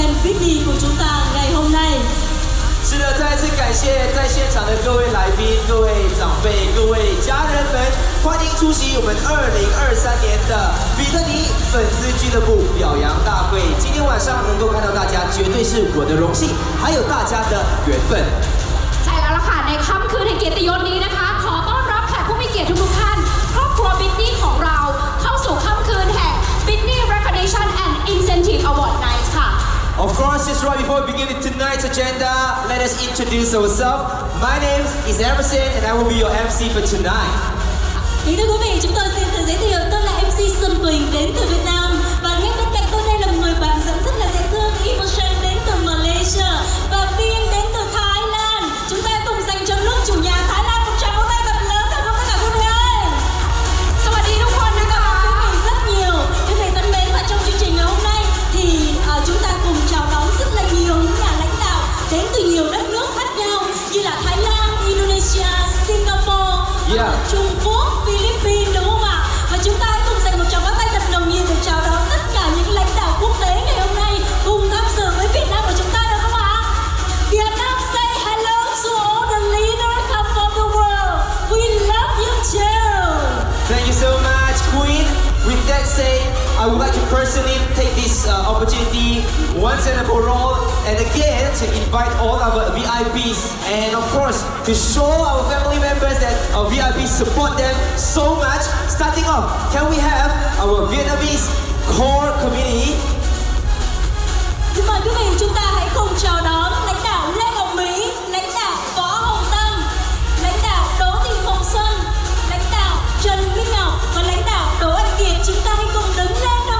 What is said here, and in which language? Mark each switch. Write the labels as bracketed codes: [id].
[zh] 是的，再次感谢在现场的各位来宾、各位长辈、各位家人们，欢迎出席我们2023年的比特尼粉丝俱乐部表扬大会。今天晚上能够看到大家，绝对是我的荣幸，还有大家的缘分。在了啦， [th] ในค่ำคืนแห่งเกียรติยศนี้นะคะ，ขอต้อนรับแขกผู้มีเกียรติทุกท่าน，ครอบครัวบิ๊กนี่ของเราเข้าสู่ค่ำคืนแห่ง Bitney Recognition and Incentive Award Night ค่ะ。 [en] Of course, just right before beginning tonight's agenda, let us introduce ourselves. My name is Emerson, and I will be your MC for tonight. [vi] Kính thưa quý vị, chúng tôi xin tự giới thiệu, tôi là MC Xuân Quỳnh đến từ Việt Nam, và ngay bên cạnh tôi đây là người bạn dẫn rất là dễ thương, Emerson đến từ Malaysia và Vin đến từ Thái Lan. Chúng ta cùng dành cho nước chủ nhà Thái Lan một tràng pháo tay thật lớn thật không tất cả quý vị. Xin chào tất cả quý vị rất nhiều. Quý vị thân mến, và trong chương trình ngày hôm nay thì chúng ta cùng chào đón rất là nhiều những nhà lãnh đạo đến từ nhiều đất nước khác nhau như là Thái Lan, Indonesia, Singapore, Trung Quốc, Philippines, đúng không ạ? Và chúng ta cùng dành một tràng pháo tay thật nồng nhiệt để chào đón tất cả những lãnh đạo quốc tế ngày hôm nay cùng tham dự với Việt Nam của chúng ta, đúng không ạ? [en] Việt Nam say hello to all the leaders come from the world. We love you too. Thank you so much, Queen. With that said, I would like to personally take this opportunity once and for all, and again to invite all our VIPs and of course to show our family members that our VIPs support them so much. Starting off, can we have our Vietnamese core community? [vi] Xin mời quý vị chúng ta hãy cùng chào đón lãnh đạo Lê Hồng Mỹ, lãnh đạo Võ Hồng Tâm, lãnh đạo Đỗ Thị Phong Xuân, lãnh đạo Trần Minh Ngọc và lãnh đạo Đỗ Anh Kiệt. Chúng ta hãy cùng đứng lên.